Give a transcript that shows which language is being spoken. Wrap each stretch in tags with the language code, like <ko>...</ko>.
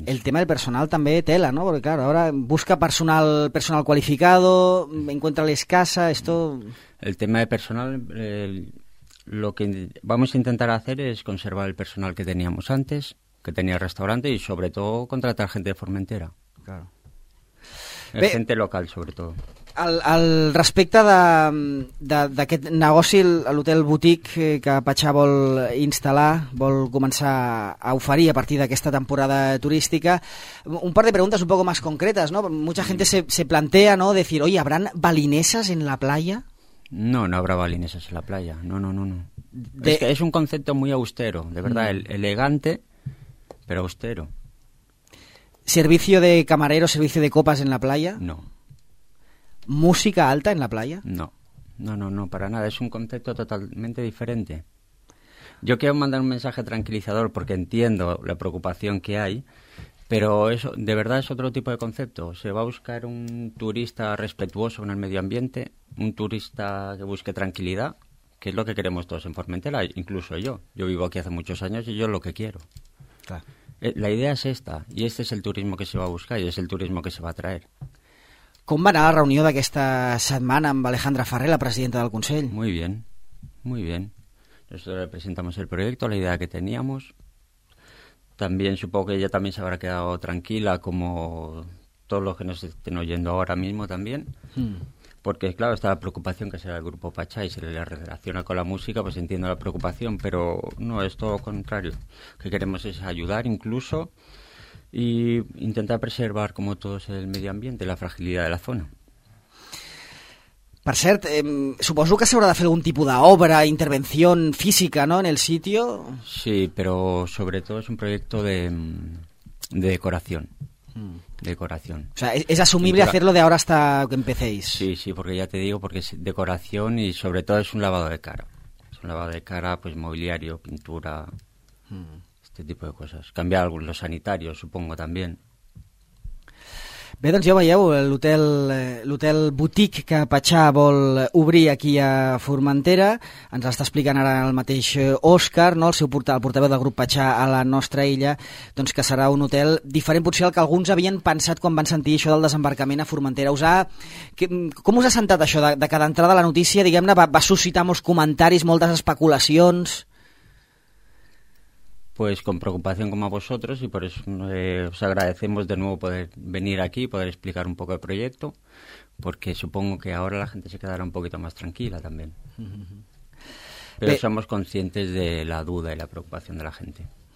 <es>El tema del personal también tela, ¿no? Porque claro, ahora busca personal cualificado, encuentra la escasa, esto... El tema de personal, lo que vamos a intentar hacer es conservar el personal que teníamos antes, que tenía el restaurante, y sobre todo contratar gente de Formentera. Claro. Gente local, sobre todo.</es> <ca>Al respecte d'aquest negoci, l'hotel boutique que Patxà vol instal·lar, vol començar a oferir a partir d'aquesta temporada turística, un par de preguntes</ca> <es>un poco más concretas, ¿no? Mucha gente se plantea, ¿no?, decir, oye, ¿habrán balineses en la playa? No habrá balineses en la playa, no. Es un concepto muy austero, de verdad, elegante, pero austero. ¿Servicio de camarero, servicio de copas en la playa? No. ¿Música alta en la playa? No, para nada. Es un concepto totalmente diferente. Yo quiero mandar un mensaje tranquilizador porque entiendo la preocupación que hay, pero eso de verdad es otro tipo de concepto. Se va a buscar un turista respetuoso con el medio ambiente, un turista que busque tranquilidad, que es lo que queremos todos en Formentera, incluso yo. Yo vivo aquí hace muchos años y yo es lo que quiero. Claro. La idea es esta, y este es el turismo que se va a buscar y es el turismo que se va a traer.</es> <ca>¿Com va anar la reunió d'aquesta setmana amb Alejandra Farrer, la presidenta del Consell?</ca> <es>Muy bien, muy bien. Nosotros le presentamos el proyecto, la idea que teníamos. También supongo que ella también se habrá quedado tranquila como todos los que nos estén oyendo ahora mismo también. Porque, claro, esta preocupación que será el grupo Pachá y se le relaciona con la música, pues entiendo la preocupación, pero no, es todo lo contrario. Lo que queremos es ayudar incluso e intentar preservar, como todos, el medio ambiente, la fragilidad de la zona.</es> <ca>Per cert, suposo que s'haurà de fer algun tipus d'obra, intervenció física, no?,</ca> <es>en el sitio.</es> <ca>Sí, però sobretot és un projecte de decoració.</ca> <es>Decoración. O sea, es asumible hacerlo de ahora hasta que empecéis. Sí, sí, porque ya te digo, porque es decoración y sobre todo es un lavado de cara. Es un lavado de cara, pues mobiliario, pintura, este tipo de cosas. Cambiar algo, los sanitarios, supongo, también.</es> <ca>Bé, doncs ja ho veieu, l'hotel boutique que Pachá vol obrir aquí a Formentera. Ens l'està explicant ara el mateix Òscar, no? el portaveu del grup Pachá a la nostra illa, doncs que serà un hotel diferent potser al que alguns havien pensat quan van sentir això del desembarcament a Formentera. Com us ha sentat això de cada entrada a la notícia? Diguem-ne, va suscitar molts comentaris, moltes especulacions...</ca> <es>Pues con preocupación como a vosotros y por eso os agradecemos de nuevo poder venir aquí, poder explicar un poco el proyecto, porque supongo que ahora la gente se quedará un poquito más tranquila también. Pero somos conscientes de la duda y la preocupación de la gente.</es>